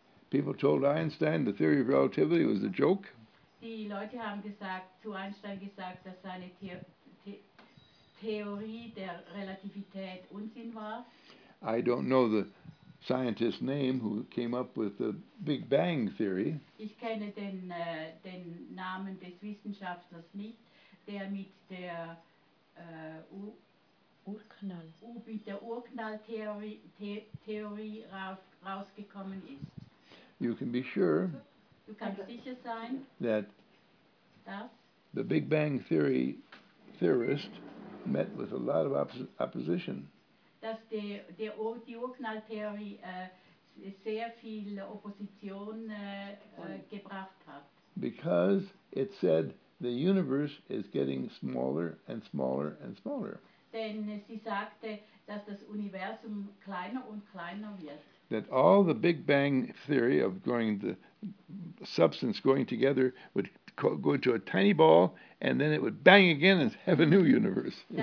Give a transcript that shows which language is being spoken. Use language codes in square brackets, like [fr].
[en] People told Einstein the theory of relativity was a joke. [de] Die Leute haben gesagt, zu Einstein gesagt, dass seine Theorie der Relativität Unsinn war. [en] I don't know the scientist's name who came up with the Big Bang theory. [de] Ich kenne den Namen des Wissenschaftlers nicht, der mit der Urknall. Mit der Urknalltheorie rausgekommen ist. [en] You can be sure. [de] Du kannst sicher sein. [en] That. [de] Das. [en] The Big Bang theory theorist met with a lot of opposition. [de] Dass die Urknalltheorie sehr viel Opposition gebracht hat. [en] Because it said the universe is getting smaller and smaller and smaller. [de] Denn sie sagte, dass das Universum kleiner und kleiner wird. [en] That all the Big Bang theory of going the substance going together would go into a tiny ball and then it would bang again and have a new universe.